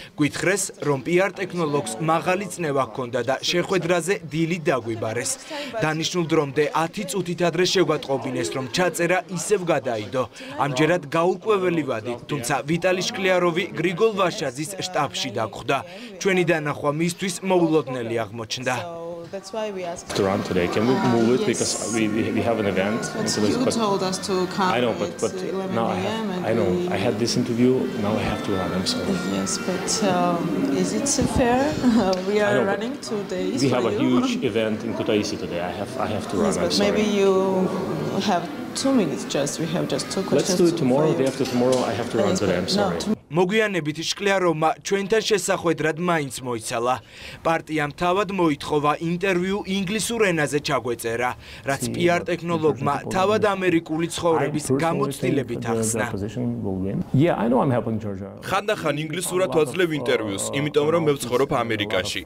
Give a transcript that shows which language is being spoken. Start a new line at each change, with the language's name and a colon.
Georgian: გვითხრეს, რომ პიარ ტექნოლოგს მაღალი წნევა ჰქონდა და შეხვედრაზე დილი დაგვიბარეს. დანიშნულ დრომდე 10 წუთით ადრე შეგვატყობინეს, რომ ჩაწერა ისევ გადაიდო. ამჯერად გაურკვეველი ვადი, თუმცა ვიტალი შკლიაროვი გრიგოლ ვაშაძის შტაბში დაგხვდა. ჩვენი დანახვა მისთვის მოულოდნელი აღმოჩნდა.
English: That's why we asked to run today. Can we move it? Because we have an event. But you told us to come. I know, but now I have. I know. I had this interview. Now I have to run. I'm sorry. Yes, but is it fair? We are running 2 days. We have a huge event in Kutaisi today. I have to run. But maybe you have 2 minutes. Just we have just 2 questions. Let's do it tomorrow. The day after tomorrow, I have to run today. I'm sorry.
Georgian: მოგვიანებით შკლიაროვმა ჩვენთან შესახვედრად მაინც მოიცალა. პარტიამ თავად მოითხოვა ინტერვიუ ინგლისურ ენაზე ჩაგვეწერა, რაც პიარ ტექნოლოგმა თავად ამერიკული ცხოვრების გამოცდილებით ახსნა. ხანდახან ინგლისურად ვაძლევ ინტერვიუს, იმიტომ რომ მე ვცხოვრობ ამერიკაში.